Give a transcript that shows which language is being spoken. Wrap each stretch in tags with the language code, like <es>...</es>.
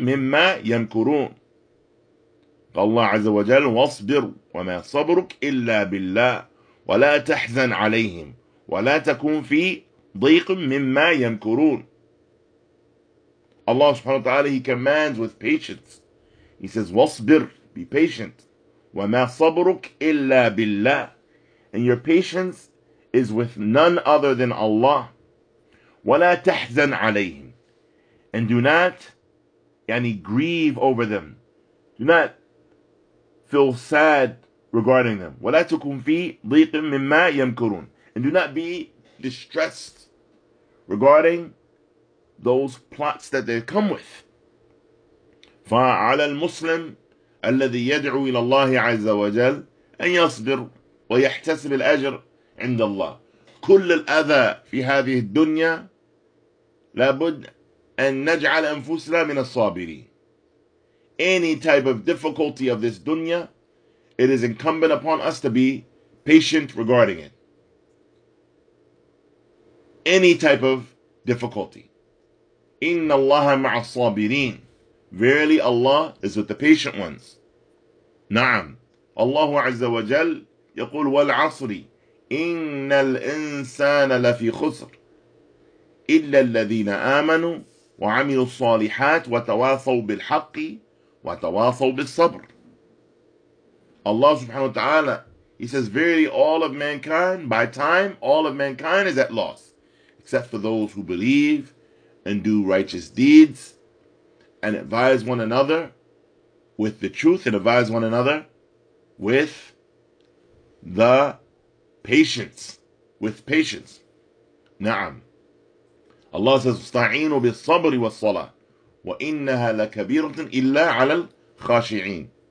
<ar>لا تكن في ضيق مما يمكرون. قال الله عز وجل واصبر وما صبرك إلا بالله ولا تحزن عليهم ولا تكن في ضيق مما يمكرون.</ar> <en>Allah subhanahu wa ta'ala, he commands with patience. He says</en> <ar>واصبر,</ar> <en>be patient.</en> <ar>وما صبرك إلا بالله.</ar> <en>And your patience is with none other than Allah.</en> <ar>ولا تحزن عليهم.</ar> <en>And do not grieve over them. Do not feel sad regarding them.</en> <ar>ولا تكن في ضيق مما يمكرون.</ar> <en>And do not be distressed regarding those plots that they come with.</en> <ar>فعلى المسلم الذي يدعو إلى الله عز وجل أن يصبر ويحتسب الأجر عند الله. كل الأذى في هذه الدنيا لابد أن نجعل أنفسنا من الصابرين.</ar> <en>Any type of difficulty of this dunya, it is incumbent upon us to be patient regarding it. Any type of difficulty.</en> <ar>إِنَّ اللَّهَ مَعَ الصَّابِرِينَ.</ar> <en>Verily Allah is with the patient ones.</en> <ar>نعم. الله عز وجل يقول وَالْعَصْرِ إِنَّ الْإِنسَانَ لَفِي خُسْرٍ إِلَّا الَّذِينَ آمَنُوا وَعَمِلُوا الصَّالِحَاتِ وَتَوَاصَوْا بِالْحَقِّ وَتَوَاصَوْا بِالصَّبْرِ.</ar> <en>Allah subhanahu wa ta'ala, he says, verily all of mankind, by time, all of mankind is at loss, except for those who believe and do righteous deeds and advise one another with the truth and advise one another with the patience, with patience.</en> <ar>Na'am.</ar> <en>Allah says,</en> <ar>استعينوا بالصبر والصلاة وإنها لكبيرة إلا على الخاشعين.</ar>